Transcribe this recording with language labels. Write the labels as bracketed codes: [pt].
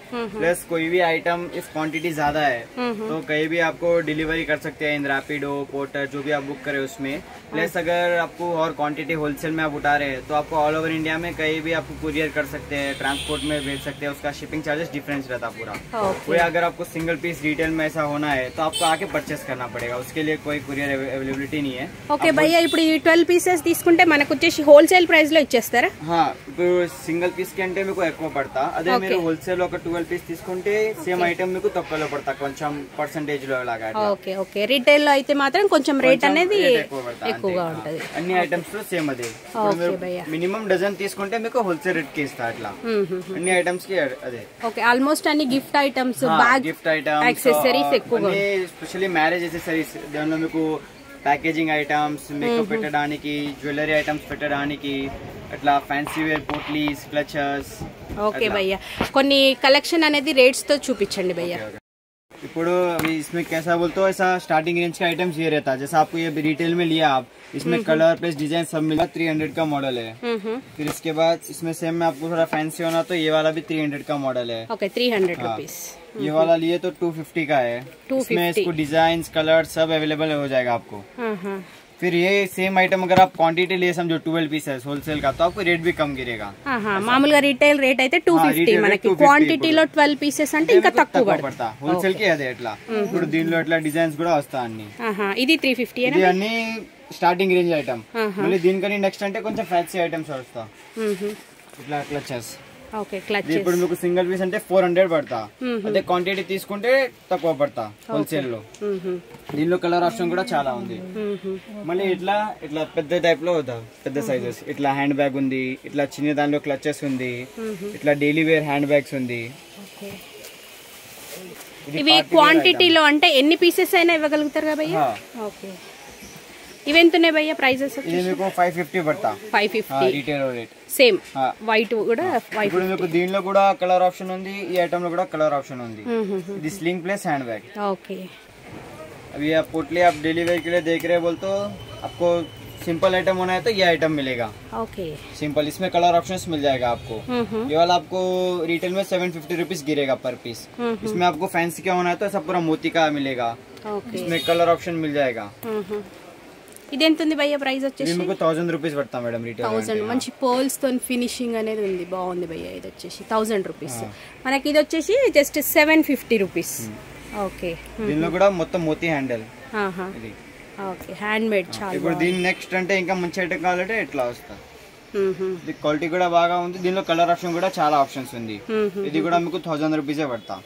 [hi] Plus कोई भी item if quantity ज्यादा है तो कहीं भी आपको डिलीवरी कर सकते हैं, रैपिडो, पोर्टर, जो भी आप बुक करें उसमें। प्लस अगर आपको और क्वांटिटी होलसेल में आप उठा रहे हैं तो आपको ऑल ओवर इंडिया में कहीं भी आपको कुरियर कर सकते हैं, ट्रांसपोर्ट में भेज सकते हैं, उसका शिपिंग चार्जेस डिफरेंस रहता है पूरा। कोई अगर आपको सिंगल पीस रिटेल में ऐसा होना है तो आपको आके परचेस करना पड़ेगा, उसके लिए कोई कुरियर अवेलेबिलिटी नहीं है। ओके भैया, इप्पुडु ये 12 पीसेस [te] తీసుకుంటే మనకు వచ్చేసి హోల్సేల్ ప్రైస్ లో ఇచ్చేస్తారా? हां, ఇప్పుడు సింగల్ పీస్ కంటే మీకు ఎక్కువ పడతా, అదే మీరు హోల్సేల్ లో ఒక 12 పీస్ తీసుకుంటే సేమ్ ఐటమ్ మీకు తక్కువలో పడతా, కొంచెం పర్సంటేజ్ లో లాగా అట్లా। ఓకే ఓకే, రిటైల్ లో అయితే మాత్రం కొంచెం రేట్ అనేది ఎక్కువగా ఉంటది, అన్ని ఐటమ్స్ లో సేమ్ అదే। ఓకే భయ్యా, మినిమం డజన్ తీసుకుంటే మీకు హోల్సేల్ రేట్ కి ఇస్తా అట్లా, అన్ని ఐటమ్స్ కి అదే। ఓకే, ఆల్మోస్ట్ అన్ని gift items, bag, gift items, accessories ఎక్కువగా, ఎస్పెషల్లీ మ్యారేజ్ యాక్సెసరీస్, దానిలో మీకు ప్యాకేజింగ్ ఐటమ్స్, మేకప్ పెట్టడానికి, జ్యువెలరీ ఐటమ్స్ పెట్టడానికి, అట్లా fancy wear potlis, clutchers. Okay భయ్యా, కొన్ని కలెక్షన్ అనేది రేట్స్ తో చూపించండి భయ్యా। [hi] इपड़ो इसमें कैसा बोलते हो, ऐसा स्टार्टिंग रेंज का आइटम्स ये रहता है, जैसा आपको ये रिटेल में लिया आप, इसमें कलर प्लस डिजाइन सब मिलेगा। 300 का मॉडल है, फिर इसके बाद इसमें सेम में आपको थोड़ा फैंसी होना तो ये वाला भी 300 का मॉडल है। Okay, 300 rupees. ये वाला लिए तो 250 का है, 250. इसमें इसको डिजाइन कलर सब अवेलेबल हो जाएगा आपको। फिर ये सेम आइटम अगर आप क्वांटिटी लिए समझो 12 पीस है होलसेल का, तो आपको रेट भी कम गिरेगा। मामूल का रिटेल रेट है 250, मतलब क्वांटिटी लो 12 पीसेस [te] अंटे इनका तक्कू पड़ता [hi] है होलसेल के, [te] अदे एटला ఇప్పుడు దీనిలో ఎట్లా డిజైన్స్ కూడా వస్తా అన్ని। ఇది 350 అనే, ఇది అన్ని స్టార్టింగ్ రేంజ్ ఐటమ్, మళ్ళీ దీనికని నెక్స్ట్ అంటే కొంచెం ఫ్యాన్సీ ఐటమ్స్ వస్తా। ఇట్లా క్లచెస్, ఇప్పుడు మీకు సింగిల్ పీస్ అంటే 400 పడతా, అంటే క్వాంటిటీ తీసుకుంటే తక్కువ పడతా హోల్సేల్ లో। దీనిలో కలర్ ఆప్షన్ కూడా చాలా ఉంది, మళ్ళీ ఇట్లా ఇట్లా పెద్ద టైప్ లో పెద్ద సైజెస్, ఇట్లా హ్యాండ్ బ్యాగ్ ఉంది, ఇట్లా చిన్న దానిలో క్లచెస్ ఉంది, ఇట్లా డైలీ వేర్ హ్యాండ్ బ్యాగ్స్ ఉంది। ఇవి క్వాంటిటీ లో అంటే ఎన్ని పీసెస్ అయినా ఇవ్వగలుగుతారు కదా భయ్యా? ఇవెంత ఉన్నాయి భయ్యా ప్రైసెస్? ఇది మీకు 550 పడతా, 550 రిటైల్ రేట్, సేమ్ వైట్ కూడా 550। ఇప్పుడు మీకు దీనిలో కూడా కలర్ ఆప్షన్ ఉంది, ఈ ఐటమ్ లో కూడా కలర్ ఆప్షన్ ఉంది, ఇది sling plus hand bag. Okay, [hi] అవి ఆ పోట్లీ ఆప్ డెలివరీ కిలే దేఖ్ రహే బోల్తో ఆప్కో सिंपल आइटम होना है तो ये आइटम मिलेगा। ओके, सिंपल इसमें कलर ऑप्शंस मिल जाएगा आपको। ये वाला आपको रिटेल में 750 रुपीस गिरेगा पर पीस। इसमें आपको फैंसी क्या होना है तो ऐसा पूरा मोती का मिलेगा। ओके, इसमें कलर ऑप्शन मिल जाएगा। [te] ఇదేంటుంది భయ్యా ప్రైస్ వచ్చేసి? మీకు 1000 రూపాయస్ పడతా మేడం రిటైల్. 1000, మంచి పోల్స్ తో ఫినిషింగ్ అనేది ఉంది, బాగుంది భయ్యా, ఇది వచ్చేసి 1000 రూపాయస్. మనకి ఇది వచ్చేసి జస్ట్ 750 రూపాయస్. ఓకే, దీనిలో కూడా మొత్తం మోతీ హ్యాండిల్. ఇది ఓకే, హ్యాండ్ మేడ్ చాలా। ఇప్పుడు దీని నెక్స్ట్ అంటే ఇంకా మంచి ఐటమ్ కావాలంటే ఇట్లా వస్తా। ఇది క్వాలిటీ కూడా బాగా ఉంది, దీనిలో కలర్ ఆప్షన్ కూడా చాలా ఆప్షన్స్ ఉంది। ఇది కూడా మీకు 1000 రూపాయస్ పడతా,